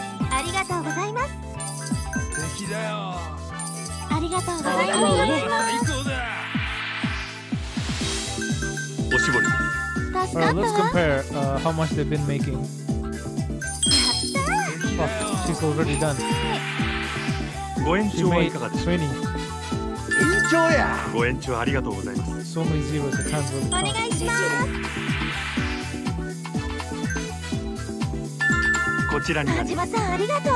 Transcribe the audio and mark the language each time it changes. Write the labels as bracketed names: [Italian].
[Japanese] ありがとうございます。敵だよ。ありがとうございます。最高だ。おしぼり。 [English] All right, let's compare how much they've been making. Oh, she's already done. [Japanese] ご延長はいかがでしょう。 20。延長や。ご延長ありがとうございます。 [English] So many zeros, I can't really count. [Japanese] お願いします。こちらに。マジマさんありがとう。